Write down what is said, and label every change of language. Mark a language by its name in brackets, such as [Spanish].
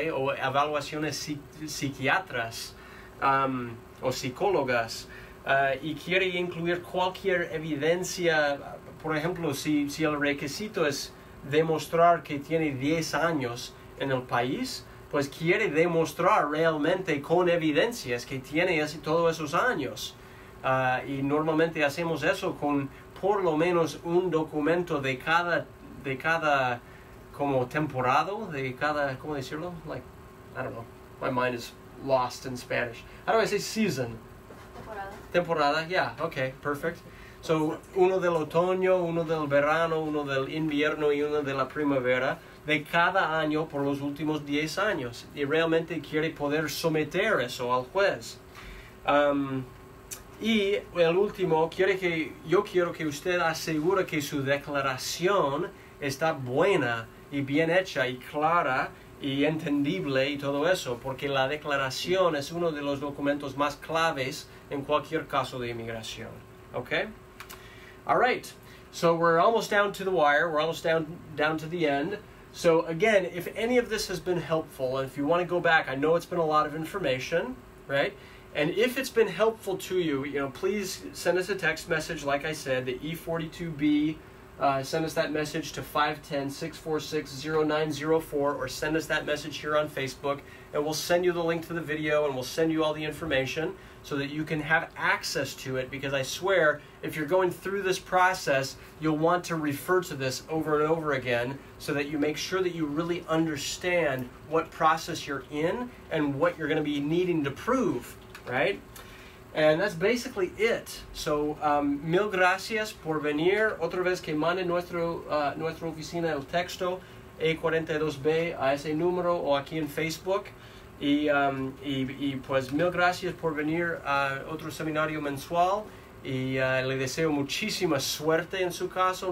[Spanish] O evaluaciones psiquiatras. O psicólogas, y quiere incluir cualquier evidencia, por ejemplo, si el requisito es demostrar que tiene 10 años en el país, pues quiere demostrar realmente con evidencias que tiene todos esos años. Y normalmente hacemos eso con por lo menos un documento de cada como temporada, de cada, ¿cómo decirlo? [English] Like, I don't know, my mind is lost in Spanish. How do I say season? [Spanish] Temporada. [English] Temporada, yeah, okay, perfect. [Spanish] So, uno del otoño, uno del verano, uno del invierno y uno de la primavera, de cada año por los últimos 10 años. Y realmente quiere poder someter eso al juez. Y el último, yo quiero que usted asegure que su declaración está buena y bien hecha y clara y entendible y todo eso, porque la declaración es uno de los documentos más claves en cualquier caso de inmigración, okay? [English] All right, so we're almost down to the wire, we're almost down to the end. So again, if any of this has been helpful, and if you want to go back, I know it's been a lot of information, right? And if it's been helpful to you, you know, please send us a text message, like I said, the E42B Send us that message to 510-646-0904 or send us that message here on Facebook, and we'll send you the link to the video and we'll send you all the information so that you can have access to it, because I swear, if you're going through this process, you'll want to refer to this over and over again so that you make sure that you really understand what process you're in and what you're going to be needing to prove, right? And that's basically it. So, [Spanish] mil gracias por venir. Otra vez que mande nuestra oficina el texto A42B a ese número o aquí en Facebook. Y pues mil gracias por venir a otro seminario mensual. Y le deseo muchísima suerte en su caso.